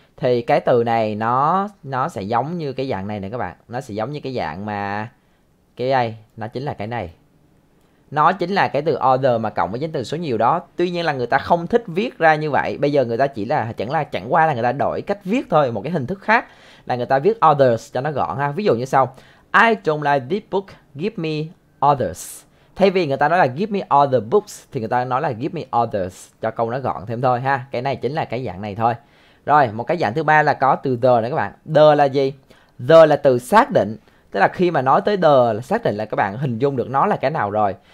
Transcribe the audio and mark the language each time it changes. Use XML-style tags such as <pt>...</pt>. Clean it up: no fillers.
<vi>Thì cái từ này nó sẽ giống như cái dạng này nè các bạn. Nó sẽ giống như cái dạng mà cái đây, nó chính là cái này. Nó chính là cái từ other mà cộng với danh từ số nhiều đó. Tuy nhiên là người ta không thích viết ra như vậy. Bây giờ người ta chỉ là chẳng qua là người ta đổi cách viết thôi, một cái hình thức khác là người ta viết others cho nó gọn ha. Ví dụ như sau:</vi> <en>I don't like this book, give me others.</en> <vi>Thay vì người ta nói là</vi> <en>give me all the books</en> <vi>thì người ta nói là</vi> <en>give me others</en> <vi>cho câu nó gọn thêm thôi ha. Cái này chính là cái dạng này thôi. Rồi, một cái dạng thứ ba là có từ the nữa các bạn. The là gì? The là từ xác định, tức là khi mà nói tới the là xác định là các bạn hình dung được nó là cái nào rồi.</vi>